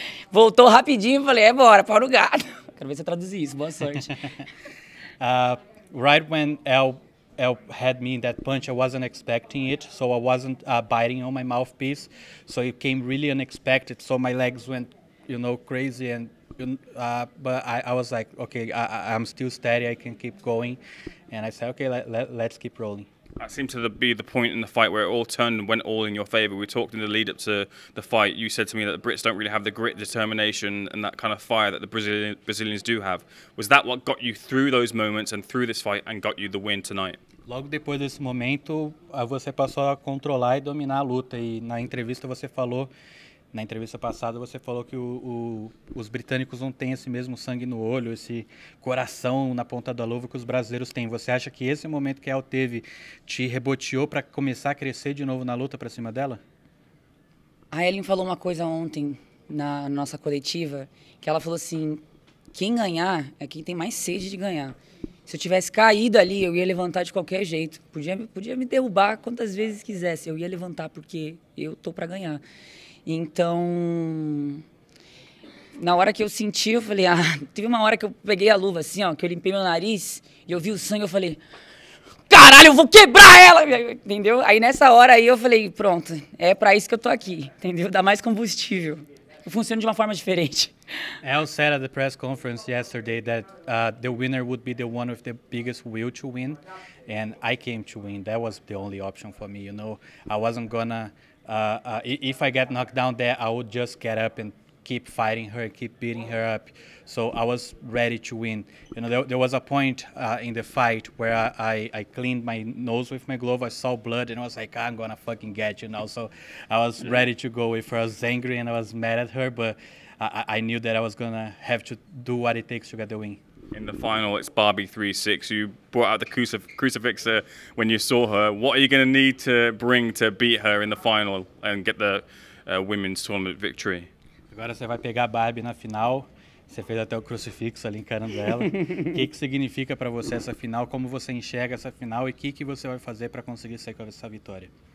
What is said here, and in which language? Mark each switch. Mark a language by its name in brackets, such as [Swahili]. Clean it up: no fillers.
[Portuguese] Voltou rapidinho e falei, é bora, para o gato. Quero ver se eu traduzi isso, boa sorte. [English] Right when Elle had me in that punch, I wasn't expecting it, so I wasn't biting on my mouthpiece. So it came really unexpected, so my legs went, you know, crazy. And But I was like, okay, I'm still steady, I can keep going. And I said, okay, let's keep rolling. That seemed to be the point in the fight where it all turned and went all in your favor. We talked in the lead up to the fight. You said to me that the Brits don't really have the grit, determination, and that kind of fire that the Brazilians do have. Was that what got you through those moments and through this fight and got you the win tonight? [Portuguese] Logo depois desse momento, você passou a controlar e dominar a luta. E na entrevista você falou, na entrevista passada, você falou que os britânicos não têm esse mesmo sangue no olho, esse coração na ponta da luva que os brasileiros têm. Você acha que esse momento que ela teve te reboteou para começar a crescer de novo na luta para cima dela? A Ellen falou uma coisa ontem na nossa coletiva, que ela falou assim, quem ganhar é quem tem mais sede de ganhar. Se eu tivesse caído ali, eu ia levantar de qualquer jeito. Podia me derrubar quantas vezes quisesse, eu ia levantar porque eu tô para ganhar. Então, na hora que eu senti, eu falei, ah, teve uma hora que eu peguei a luva assim, ó, que eu limpei meu nariz e eu vi o sangue, eu falei, caralho, eu vou quebrar ela, entendeu? Aí nessa hora aí eu falei, pronto, é pra isso que eu tô aqui, entendeu? Dá mais combustível. Funciona de uma forma diferente. [English] Elle said at the press conference yesterday that the winner would be the one with the biggest will to win, and I came to win. That was the only option for me, you know. I wasn't gonna... If I get knocked down there, I would just get up and keep fighting her, keep beating her up. So I was ready to win. You know, there was a point in the fight where I cleaned my nose with my glove. I saw blood and I was like, I'm gonna fucking get you now. So I was ready to go with her. I was angry and I was mad at her, but I knew that I was gonna have to do what it takes to get the win. In the final, it's Barbie 3-6. You brought out the crucifix when you saw her. What are you gonna need to bring to beat her in the final and get the women's tournament victory? [Portuguese] Agora você vai pegar a Barbie na final. Você fez até o crucifixo ali encarando ela. O que significa para você essa final? Como você enxerga essa final? E o que você vai fazer para conseguir sair com essa vitória?